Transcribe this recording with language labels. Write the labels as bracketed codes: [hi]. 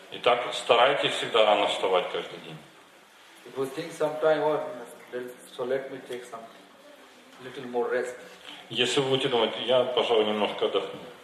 [ru] Итак, старайтесь всегда рано вставать каждый день. [en] If you think sometime, so let me take some little more rest. [ru] Если вы будете думать, я, пожалуй, немножко отдохну.